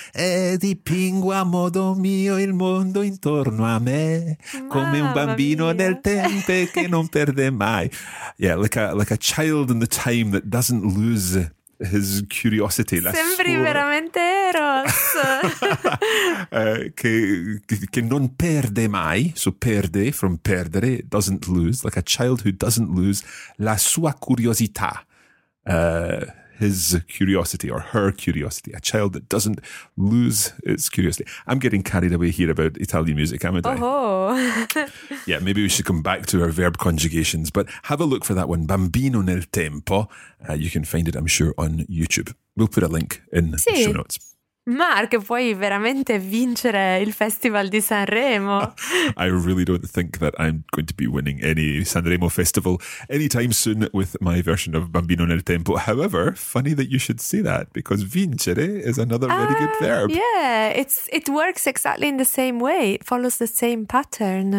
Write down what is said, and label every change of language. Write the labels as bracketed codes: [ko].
[it] E dipingo a modo mio il mondo intorno a me, come un bambino nel tempo che non perde mai. [en] Yeah, like a child in the time that doesn't lose... his curiosity. [it] Sembri veramente Eros. che non perde mai, [en] so perde from perdere, doesn't lose, like a child who doesn't lose [it] la sua curiosità, [en] his curiosity or her curiosity, a child that doesn't lose its curiosity. I'm getting carried away here about Italian music, am I? Oh. Yeah, maybe we should come back to our verb conjugations, but have a look for that one, Bambino nel tempo. You can find it, I'm sure, on YouTube. We'll put a link in the show notes. [it] Mark, puoi veramente vincere il Festival di Sanremo? [en] I really don't think that I'm going to be winning any Sanremo Festival anytime soon with my version of Bambino nel Tempo. However, funny that you should say that, because vincere is another very good verb. Yeah, it works exactly in the same way. It follows the same pattern.